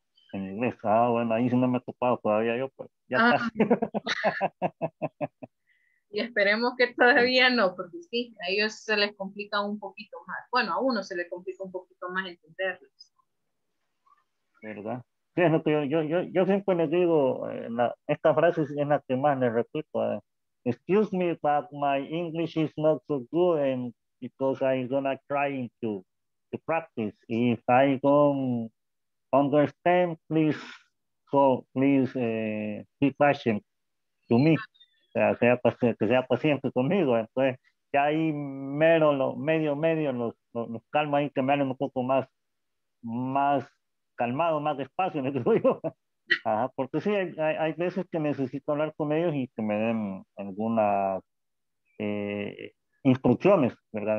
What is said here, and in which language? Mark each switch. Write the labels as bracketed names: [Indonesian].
[Spanish] En inglés, bueno, ahí sí no me he topado todavía yo, pues ya está. Y esperemos que todavía no, porque sí, a ellos se les complica un poquito más. Bueno, a uno se le complica un poquito más entenderlos. ¿Verdad? Sí, es lo que yo siempre les digo, esta frase es la que más les repito. [English] Excuse me, but my English is not so good, and because I'm gonna try to practice. If I don't understand, please be patient to me. [Spanish] O sea, sea paciente conmigo. Entonces, ya ahí mero los calmo ahí, que me hagan un poco más calmado, más despacio, les digo yo. Ajá, porque sí, hay veces que necesito hablar con ellos y que me den algunas instrucciones, ¿verdad?